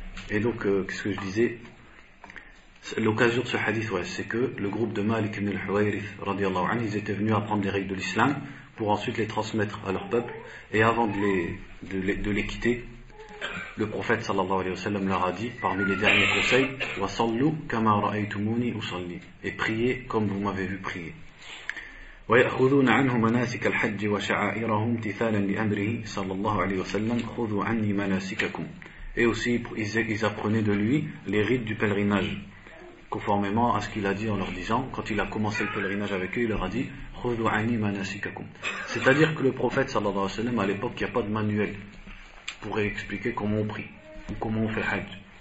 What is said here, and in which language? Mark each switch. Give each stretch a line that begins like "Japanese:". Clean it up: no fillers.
French: Et donc, qu'est-ce que je disais? L'occasion de ce hadith, ouais, c'est que le groupe de Malik ibn al-Huwayrith,
Arabic: radiallahu anhu,
French: ils étaient venus apprendre les règles de l'islam pour ensuite les transmettre à leur peuple. Et avant de les quitter, le prophète
Arabic: sallallahu alayhi wa sallam
French: leur a dit, parmi les derniers conseils, «
Arabic: وَصَلُّوا كَمَا رَأَيْتُمُونِي أُصَلِّي
French: » et « priez comme vous m'avez vu prier ».
Arabic: ويأخذون عنه مناسك الحج وشعائرهم امتثالا لأمره صلى الله عليه وسلم خذوا عني مناسككم.
French: Et aussi ils apprenaient de lui les rites du pèlerinage, conformément à ce qu'il a dit en leur disant, quand il a commencé le pèlerinage avec eux, il leur a dit
Arabic: خذوا عني مناسككم.
French: C'est-à-dire que le prophète
Arabic: صلى الله عليه وسلم,
French: à l'époque, il n'y a pas de manuel pour expliquer comment on prie ou comment on fait le hajj.